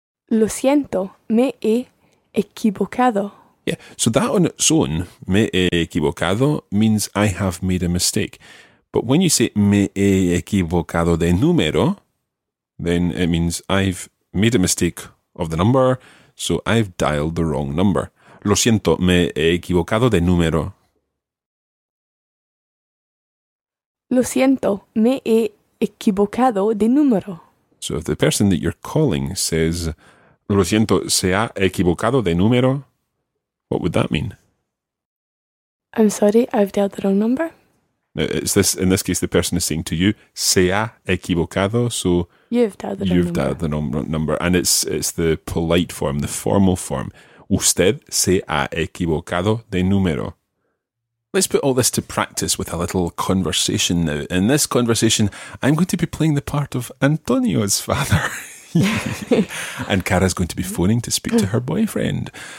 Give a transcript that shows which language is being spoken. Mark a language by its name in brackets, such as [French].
[Spanish] Lo siento. Me he equivocado. [English] Yeah. So that on its own, [Spanish] me he equivocado, [English] means I have made a mistake. But when you say [Spanish] me he equivocado de número, [English] then it means I've made a mistake of the number, so I've dialed the wrong number. [Spanish] Lo siento, me he equivocado de número. Lo siento, me he equivocado de número. [English] So if the person that you're calling says, [Spanish] lo siento, se ha equivocado de número, [English] what would that mean? I'm sorry, I've dialed the wrong number. Now, it's this, in this case, the person is saying to you, [Spanish] se ha equivocado, [English] so you've dialed the number. And it's the polite form, the formal form. [Spanish] Usted se ha equivocado de número. [English] Let's put all this to practice with a little conversation now. In this conversation, I'm going to be playing the part of Antonio's father. And Cara's going to be phoning to speak to her boyfriend.